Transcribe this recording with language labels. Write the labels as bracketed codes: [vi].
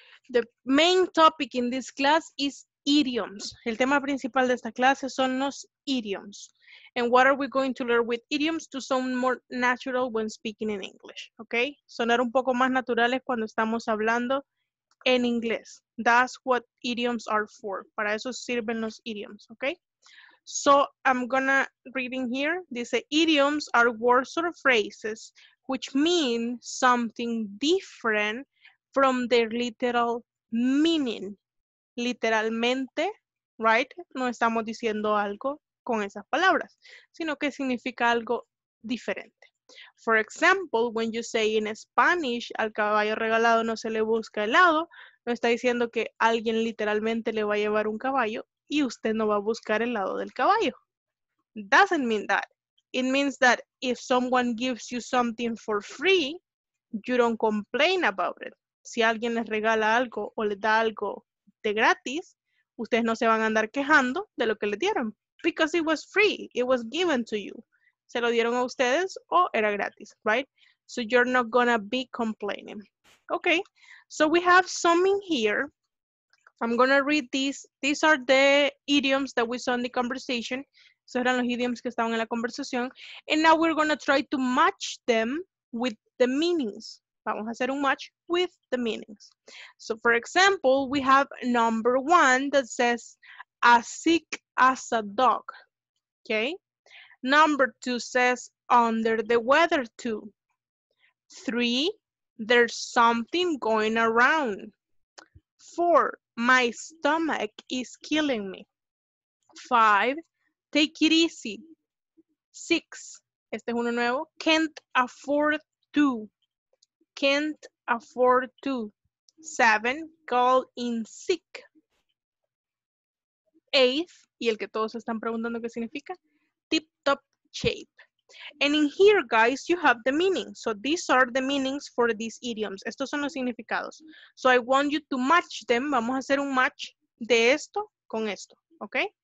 [en] The main topic in this class is idioms. [es] El tema principal de esta clase son los idioms. [en] And what are we going to learn with idioms? To sound more natural when speaking in English. Okay? [es] Sonar un poco más naturales cuando estamos hablando en inglés. [en] That's what idioms are for. [es] Para eso sirven los idioms. [en] Okay? So I'm gonna read in here. Dice, idioms are words or phrases which mean something different from their literal meaning. [es] Literalmente, right? No estamos diciendo algo con esas palabras, sino que significa algo diferente. For example, when you say in Spanish, al caballo regalado no se le busca helado, no está diciendo que alguien literalmente le va a llevar un caballo y usted no va a buscar el lado del caballo. [en] Doesn't mean that. It means that if someone gives you something for free, you don't complain about it. [es] Si alguien les regala algo o les da algo de gratis, ustedes no se van a andar quejando de lo que les dieron. [en] Because it was free. It was given to you. [es] Se lo dieron a ustedes o era gratis, [en] right? So you're not gonna be complaining. Okay, so we have some in here. I'm gonna read these. These are the idioms that we saw in the conversation. [es] So eran los idioms que estaban en la conversación. [en] And now we're going to try to match them with the meanings. [es] Vamos a hacer un match [en] with the meanings. So for example, we have number one that says, as sick as a dog. Okay. Number two says, under the weather too. Three, there's something going around. Four, my stomach is killing me. Five, take it easy. Six, [es] Este es uno nuevo. [en] Can't afford to. Can't afford to. 7, call in sick. [es] 8, y el que todos están preguntando qué significa, tip top shape. [en] And in here, guys, you have the meaning. So these are the meanings for these idioms. [es] Estos son los significados. [en] So I want you to match them. [es] Vamos a hacer un match de esto con esto, ¿ok?